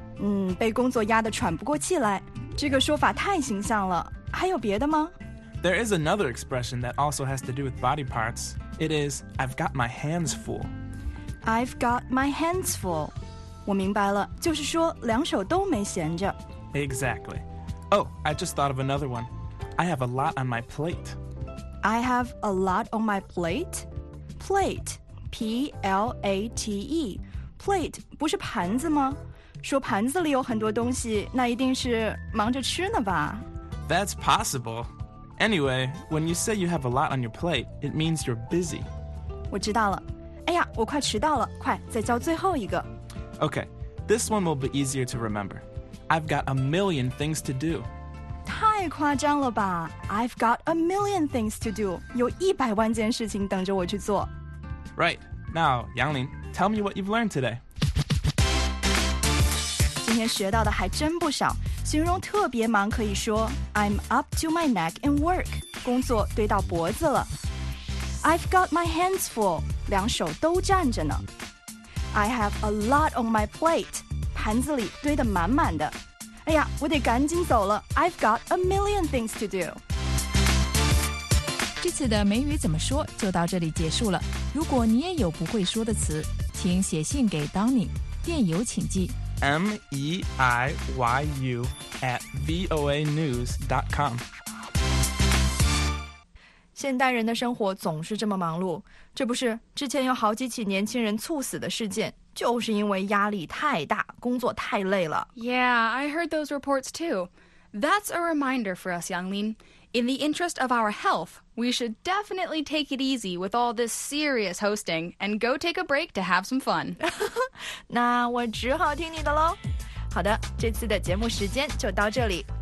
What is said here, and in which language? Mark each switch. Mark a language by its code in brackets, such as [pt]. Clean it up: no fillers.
[zh] 嗯，被工作压得喘不过气来，这个说法太形象了。还有别的吗？ [en] There is another expression that also has to do with body parts. It is, I've got my hands full. I've got my hands full. [zh] 我明白了，就是说两手都没闲着。 [en] Exactly. Oh, I just thought of another one. I have a lot on my plate. I have a lot on my plate? Plate. [zh] P-L-A-T-E. Plate 不是盘子吗？说盘子里有很多东西，那一定是忙着吃呢吧？ [en] That's possible. Anyway, when you say you have a lot on your plate, it means you're busy. [zh] 我知道了。哎呀，我快迟到了，快，再教最后一个。 [en] Okay, this one will be easier to remember. I've got a million things to do. [zh] 太夸张了吧。 [en] I've got a million things to do. [zh] 有100万件事情等着我去做。 [en] Right. Now, Yanglin, tell me what you've learned today. [zh] 今天学到的还真不少。形容特别忙可以说 [en] I'm up to my neck in work [zh] 工作堆到脖子了 [en] I've got my hands full [zh] 两手都站着呢 [en] I have a lot on my plate [zh] 盘子里堆得满满的哎呀我得赶紧走了 [en] I've got a million things to do [zh] 这次的美语怎么说就到这里结束了如果你也有不会说的词请写信给 Donny 电邮请寄 [en] MEIYU@VOANews.com [zh] 现代人的生活总是这么忙碌这不是之前有好几起年轻人猝死的事件就是因为压力太大工作太累了 [en] Yeah, I heard those reports too That's a reminder for us, Yanglin In the interest of our health We should definitely take it easy with all this serious hosting and go take a break to have some fun. [zh] 那我只好听你的咯。好的，这次的节目时间就到这里。